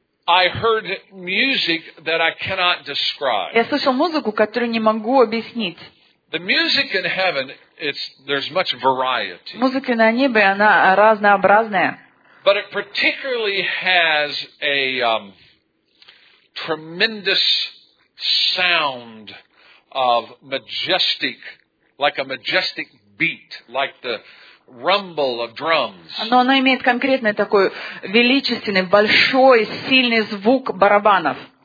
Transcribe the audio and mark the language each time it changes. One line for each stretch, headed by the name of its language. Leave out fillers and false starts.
English: I heard music that I cannot describe.
Russian: Я слышал музыку, которую не могу объяснить.
English: The music in heaven, there's much variety.
Russian: Музыка на небе, она разнообразная.
English: But it particularly has a tremendous sound of majestic, like a majestic beat, like the rumble of drums.
Russian: Но оно имеет конкретный такой величественный, большой, сильный звук барабанов.